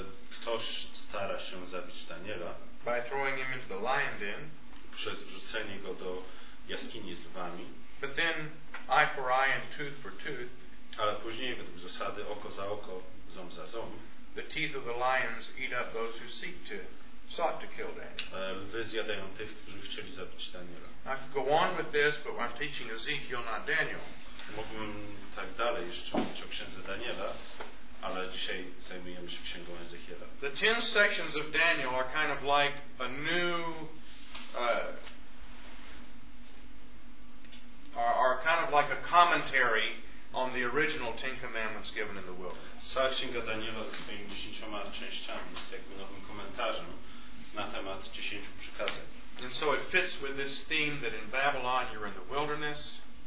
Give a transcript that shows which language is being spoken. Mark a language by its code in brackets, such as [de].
[pl] Ktoś stara się zabić Daniela. [en] By throwing him into the lion's den. [pl] Przez wrzucenie go do jaskini z lwami. [en] But then eye for eye and tooth for tooth. [pl] Ale później według zasady oko za oko, ząb za ząb. [en] The teeth of the lions eat up those who seek to sought to kill Daniel. [pl] Lwy zjadają tych, którzy chcieli zabić Daniela. [en] I could go on with this, but I'm teaching Ezekiel, not Daniel. [pl] Mógłbym tak dalej jeszcze mówić o księdze Daniela, ale dzisiaj zajmujemy się księgą Ezechiela. [en] The ten sections of Daniel are kind of like a new are kind of like a commentary on the original Ten Commandments given in the wilderness. [pl] Cała księga Daniela ze swoimi 10 częściami jest jakby nowym komentarzem na temat 10 przykazań. [en] And so it fits with this theme that in Babylon you're in the wilderness.